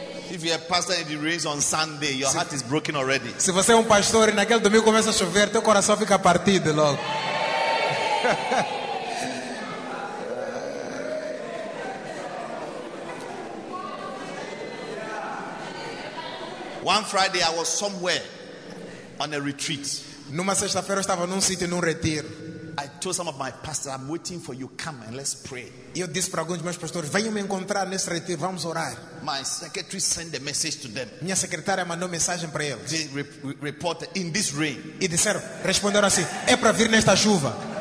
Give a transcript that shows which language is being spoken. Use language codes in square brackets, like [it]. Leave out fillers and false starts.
[en] If you're a pastor and it rains on Sunday, your heart is broken already. [pt] Se você é pastor e naquele domingo começa a chover, teu coração fica partido logo. [en] One Friday I was somewhere on a retreat. [pt] Numa sexta-feira eu estava num sítio num retiro. [en] I told some of my pastors, I'm waiting for you, come and let's pray. [pt] Eu disse para alguns meus pastores, venham me encontrar nesse retiro, vamos orar. [en] My secretary sent a message to them. [pt] Minha secretária mandou mensagem para eles. [en] They reported in this rain. [pt] E disseram, responderam assim, é para vir nesta chuva.